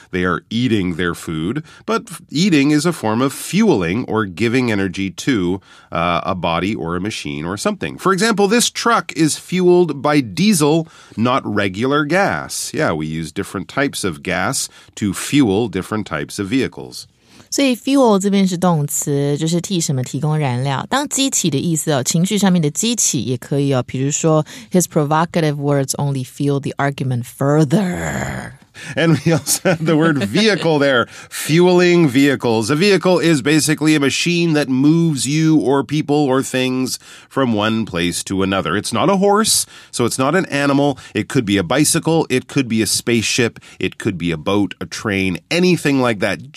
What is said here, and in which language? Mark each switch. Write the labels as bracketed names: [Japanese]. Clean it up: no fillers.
[English] They are eating their food. But eating is a form of fueling or giving energy to a body or a machine or something. For example, this truck is fueled by diesel, not regular gas. Yeah, we use different types of gas to fuel different types of vehicles. [Chinese] 所以 fuel 这边是动词，就是替什么提供燃料。当激起的意思哦，情绪上面的激起也可以哦。比如说 [English] his provocative words only fuel the argument further. And we also have the word vehicle there, fueling vehicles. A vehicle is basically a machine that moves you or people or things from one place to another. It's not a horse, so it's not an animal. It could be a bicycle, it could be a spaceship, it could be a boat, a train, anything like that.